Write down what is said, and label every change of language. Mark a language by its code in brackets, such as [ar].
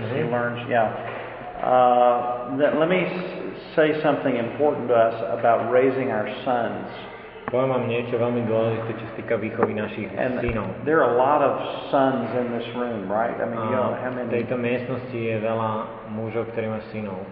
[en] Mm-hmm. He learns, yeah. Let me say something important to us about raising our sons. [sk] Poviem vám niečo veľmi dôležité, čo sa týka výchovy našich synov. [en] There are a lot of sons in this room, right? I mean, you know, how many... [sk] V tejto miestnosti je veľa mužov, ktorí majú synov.